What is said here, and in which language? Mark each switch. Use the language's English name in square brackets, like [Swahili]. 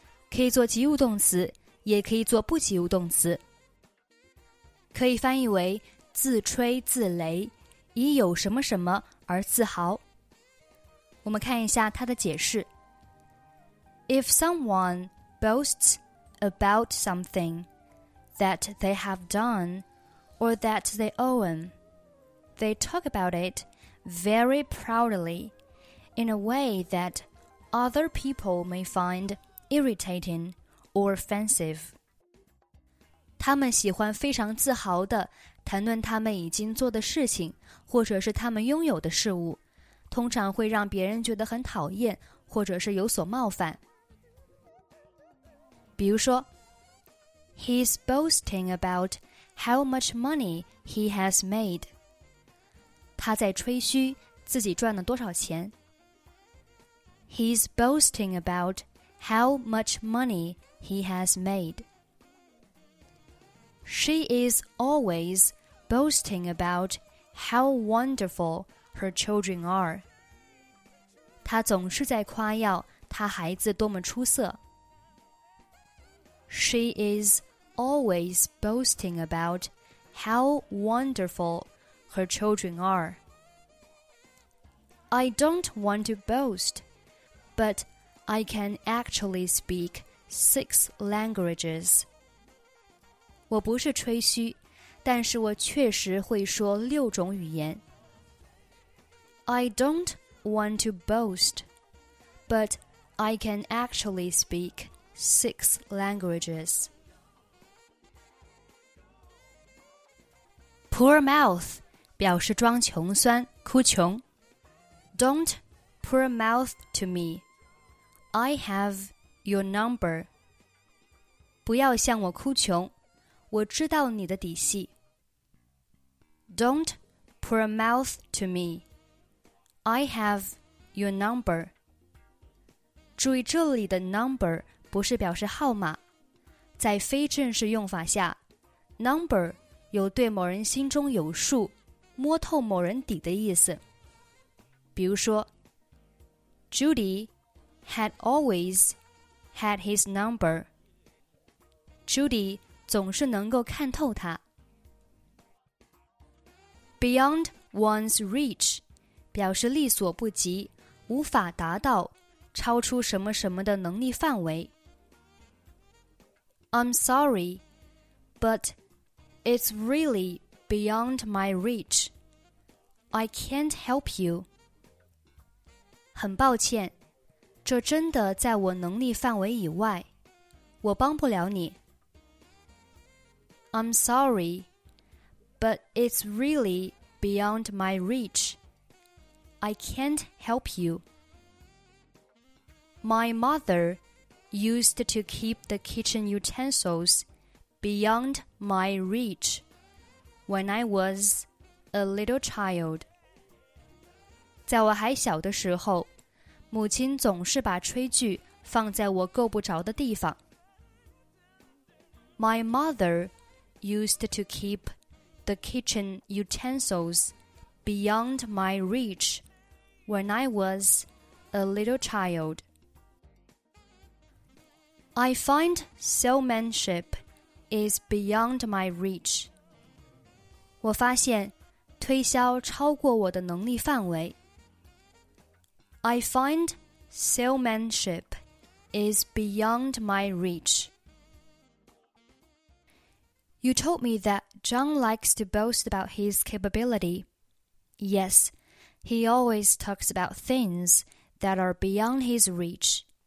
[Chinese] 可以做及物动词，也可以做不及物动词，可以翻译为自吹自擂，以有什么什么而自豪。我们看一下它的解释。 [English] If someone boasts about something that they have done,or that they own. They talk about it very proudly in a way that other people may find irritating or offensive. [Chinese] 他们喜欢非常自豪地谈论他们已经做的事情或者是他们拥有的事物，通常会让别人觉得很讨厌或者是有所冒犯。比如说 [English] He's boasting aboutHow much money he has made. [Chinese] 他在吹嘘自己赚了多少钱。 [English] He's boasting about how much money he has made. She is always boasting about how wonderful her children are. [Chinese] 他总是在夸耀他孩子多么出色。 [English] She isalways boasting about how wonderful her children are. I don't want to boast, but I can actually speak 6 languages. [Chinese] 我不是吹嘘，但是我确实会说六种语言。 [English] I don't want to boast, but I can actually speak 6 languages. Poor mouth [Chinese] 表示装穷酸哭穷 [English] Don't poor mouth to me I have your number [Chinese] 不要向我哭穷我知道你的底细 [English] Don't poor mouth to me I have your number [Chinese] 注意这里的 number 不是表示号码在非正式用法下 number 有对某人心中有数、摸透某人底的意思。比如说 [English] Judy had always had his number. [Chinese] Judy 总是能够看透他。 [English] Beyond one's reach [Chinese] 表示力所不及、无法达到、超出什么什么的能力范围。 [English] I'm sorry, but it's really beyond my reach. I can't help you. [Chinese] 很抱歉，这真的在我能力范围以外，我帮不了你。 [English] I'm sorry, but it's really beyond my reach. I can't help you. My mother used to keep the kitchen utensils beyond my reach when I was a little child. [Chinese] 在我还小的时候，母亲总是把炊具放在我够不着的地方。 [English] My mother used to keep the kitchen utensils beyond my reach when I was a little child. I find salesmanship is beyond my reach. [Chinese] 我发现推销超过我的能力范围。 [English] I find salesmanship is beyond my reach. You told me that John likes to boast about his capability. Yes, he always talks about things that are beyond his reach.